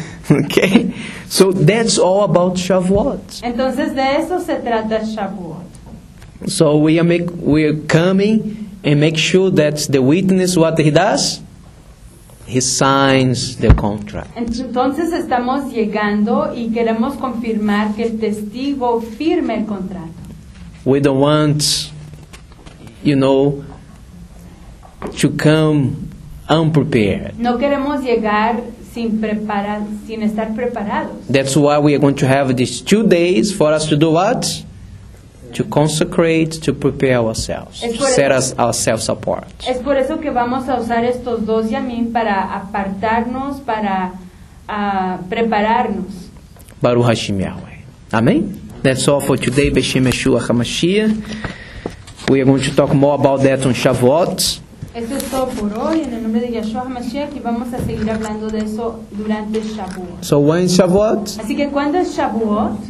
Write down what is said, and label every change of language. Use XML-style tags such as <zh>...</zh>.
<en>Okay, so that's all about Shavuot.</en> <es>Entonces de eso se trata Shavuot.</es> <en>So we are coming and make sure that the witness what he does, he signs the contract.</en> <es>Entonces estamos llegando y queremos confirmar que el testigo firme el contrato.</es> <en>We don't want, you know, to come unprepared.</en> <es>No queremos llegar sin estar preparados.</es> <en>That's why we are going to have these 2 days for us to do what? To consecrate, to prepare ourselves, ourselves apart.</en> <es>Es por eso que vamos a usar estos dos yamim para apartarnos, para prepararnos.</es> <he>Baruch Hashem Yahweh. Amen.</he> <en>That's all for today.</en> <he>B'Shem Yeshua HaMashiach.</he> <en>We are going to talk more about that on Shavuot.</en> <es>Eso es todo por hoy en el nombre de Yahshua HaMashiach y vamos a seguir hablando de eso durante Shavuot.</es> <en>So when is Shavuot?</en> <es>Así que ¿cuándo es Shavuot?</es>